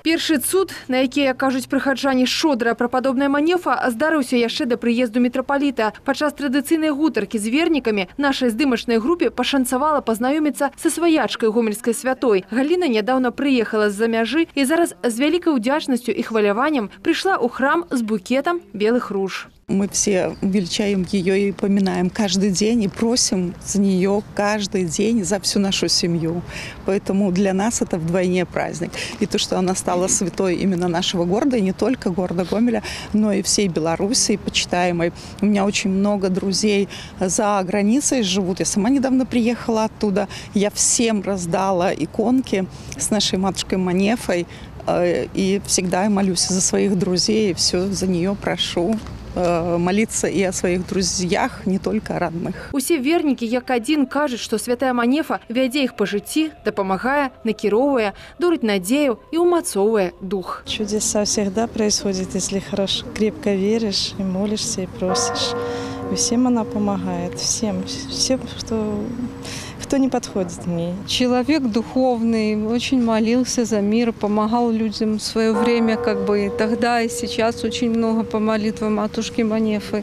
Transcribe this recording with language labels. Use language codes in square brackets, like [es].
[be] Першы цуд, на які, як кажуць прыхаджані, шодра пра падобная манефа, здарыўся яшчэ да прыезду мітрапаліта. Падчас традыцыйнай гутаркі з вернікамі нашай здымачнай групе пашанцавала пазнаёміцца са сваячкай гомельскай святой. Галіна нядаўна прыехала з-за мяжы і зараз з вялікай удзячнасцю і хваляваннем прыйшла ў храм з букетам белых руж. [ru] Мы все величаем ее и поминаем каждый день и просим за нее каждый день за всю нашу семью. Поэтому для нас это вдвойне праздник. И то, что она стала святой именно нашего города, и не только города Гомеля, но и всей Белоруссии почитаемой. У меня очень много друзей за границей живут. Я сама недавно приехала оттуда. Я всем раздала иконки с нашей матушкой Манефой. И всегда молюсь за своих друзей, и все за нее прошу. Молиться и о своих друзьях, не только о родных. [be] Усе вернікі, як адзін, кажуць, што святая манефа вядзе іх па жыцці, дапамагае, накіроўвае, дарыць надзею і ўмацоўвае дух. [ru] Чудеса всегда происходят, если хорошо, крепко веришь, и молишься, и просишь. Всем она помогает, всем, кто... Кто не подходит мне? Человек духовный, очень молился за мир, помогал людям в свое время, как бы тогда и сейчас очень много по молитвам матушки Манефы.